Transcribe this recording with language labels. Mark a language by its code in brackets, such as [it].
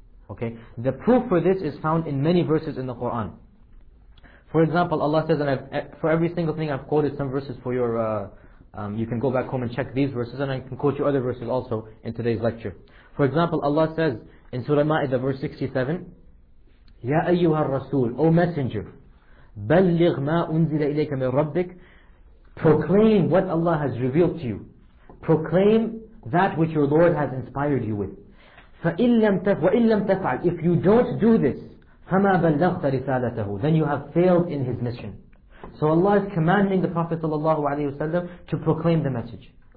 [en] Okay, the proof for this is found in many verses in the Quran. For example, Allah says, and for every single thing I've quoted some verses for your, you can go back home and check these verses, and I can quote you other verses also in today's lecture. For example, Allah says in Surah Ma'idah verse 67, [ar] يا أيها الرسول أو messenger بلغ ما أنزل إليك من ربك. [en] Proclaim what Allah has revealed to you. Proclaim that which your Lord has inspired you with. [ar] وَإِن لَمْ تَفْعَلْ [en] If you don't do this, [ar] فَمَا بَلَّغْتَ رِسَالَتَهُ [en] Then you have failed in his mission. So Allah is commanding the Prophet sallallahu alaihi wasallam to proclaim the message.